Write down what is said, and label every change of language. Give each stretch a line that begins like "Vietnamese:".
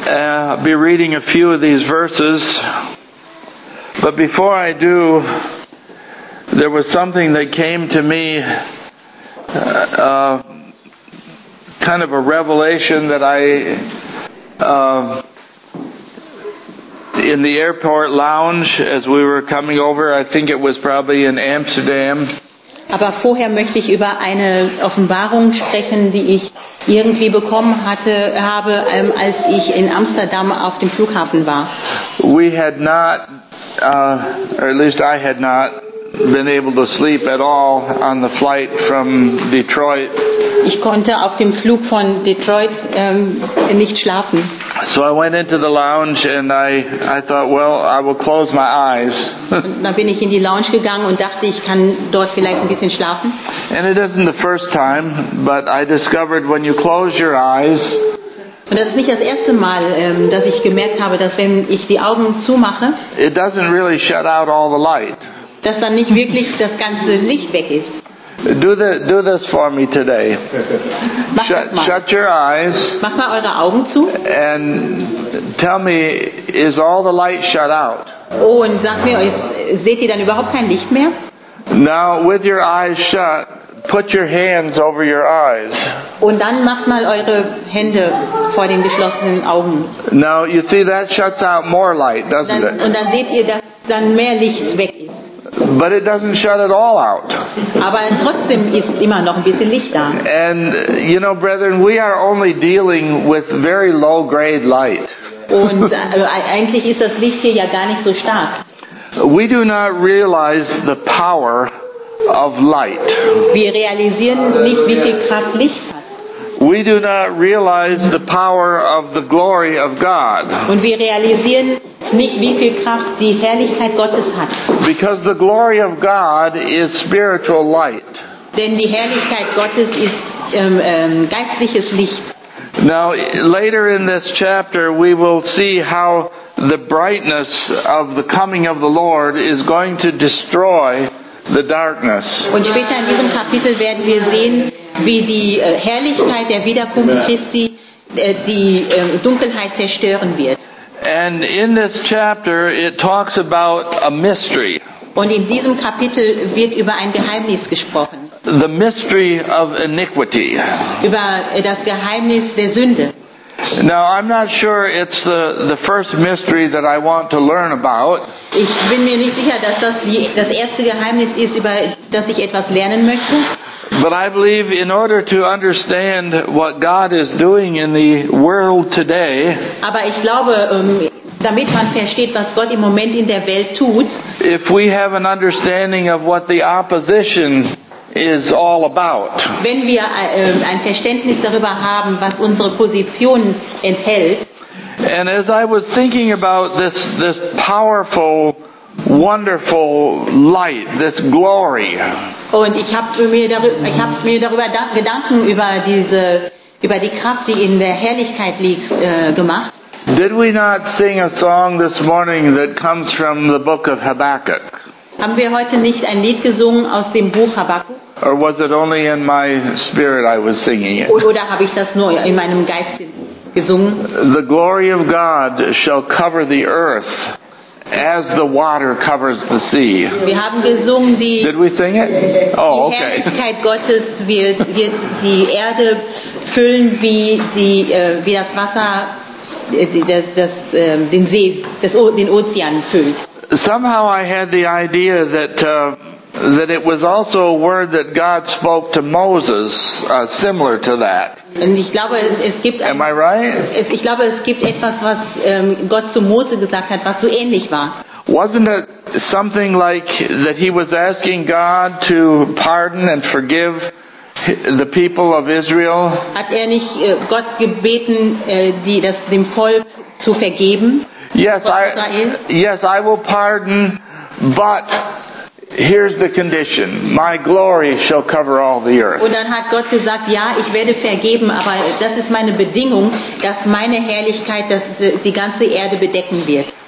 English: I'll be reading a few of these verses. But before I do, there was something that came to me, kind of a revelation that I... In the airport lounge, as we were coming over, I think it was probably in Amsterdam.
German: Aber vorher möchte ich über eine Offenbarung sprechen, die ich irgendwie bekommen habe, als ich in Amsterdam auf dem Flughafen war.
English: We had not, or at least I had not, been able to sleep at all on the flight from Detroit.
German: Ich konnte auf dem Flug von Detroit nicht schlafen.
English: So I went into the lounge and I thought, well, I will close my eyes.
German: Dann bin ich in die Lounge gegangen und dachte, ich kann dort vielleicht ein bisschen schlafen.
English: And it isn't the first time, but I discovered when you close your eyes.
German: Und das ist nicht das erste Mal, dass ich gemerkt habe, dass wenn ich die Augen zumache,
English: it doesn't really shut out all the light.
German: Dass dann nicht wirklich das ganze Licht weg ist.
English: Do this for me today. Shut your eyes.
German: Mach mal eure Augen zu.
English: And tell me, is all the light shut out?
German: Oh, und sag mir, seht ihr dann überhaupt kein Licht mehr?
English: Now, with your eyes shut, put your hands over your eyes.
German: Und dann macht mal eure Hände vor den geschlossenen Augen.
English: Now, you see, that shuts out more light, doesn't
German: dann,
English: it?
German: Und dann seht ihr, dass dann mehr Licht weg ist.
English: But it doesn't shut it all out.
German: Aber trotzdem ist immer noch ein bisschen Licht da.
English: And you know, brethren, we are only dealing with very low-grade light.
German: Und eigentlich ist das Licht hier ja gar nicht so stark.
English: We do not realize the power of light.
German: Wir realisieren nicht, wie viel Kraft Licht hat.
English: We do not realize the power of the glory of God.
German: Und wir realisieren nicht, wie viel Kraft die Herrlichkeit Gottes hat.
English: Because the glory of God is spiritual light.
German: Denn die Herrlichkeit Gottes ist geistliches Licht.
English: Now, later in this chapter, we will see how the brightness of the coming of the Lord is going to destroy the darkness.
German: Und später in diesem Kapitel werden wir sehen, wie die Herrlichkeit der Wiederkunft Christi die Dunkelheit zerstören wird.
English: And in this chapter it talks about a mystery.
German: Und in diesem Kapitel wird über ein Geheimnis gesprochen.
English: The mystery of iniquity.
German: Über das Geheimnis der Sünde.
English: Now I'm not sure it's the first mystery that I want to learn about.
German: Ich bin mir nicht sicher, dass das erste Geheimnis ist, über das ich etwas lernen möchte.
English: But I believe in order to understand what God is doing in the world today,
German: aber ich glaube, damit man versteht, was Gott im Moment in der Welt tut,
English: if we have an understanding of what the opposition is all about,
German: wenn wir ein Verständnis darüber haben, was unsere Position enthält,
English: And as I was thinking about this powerful, wonderful light, this glory.
German: Und ich habe mir darüber Gedanken über die Kraft, die in der Herrlichkeit liegt, gemacht.
English: Did we not sing a song this morning that comes from the book of Habakkuk?
German: Haben wir heute nicht ein Lied gesungen aus dem Buch Habakkuk?
English: Or was it only in my spirit I was singing it?
German: Oder habe ich das nur in meinem Geist gesungen?
English: The glory of God shall cover the earth as the water covers the sea.
German: Wir haben gesungen die.
English: Did we sing it? Oh, okay.
German: Die Herrlichkeit Gottes wird die Erde füllen wie das Wasser den See, den Ozean füllt.
English: Somehow I had the idea that it was also a word that God spoke to Moses, similar to that.
German: Und ich glaube, es gibt.
English: Am I right?
German: Ich glaube, es gibt etwas, was Gott zu Mose gesagt hat, was so ähnlich war.
English: Wasn't it something like that he was asking God to pardon and forgive the people of Israel?
German: Hat er nicht Gott gebeten, dem Volk zu vergeben?
English: Yes, I will pardon, but here's the condition: my glory shall cover all the earth.
German: Und dann hat Gott gesagt, ja, ich werde vergeben, aber das ist meine Bedingung, dass meine Herrlichkeit die ganze Erde bedecken wird.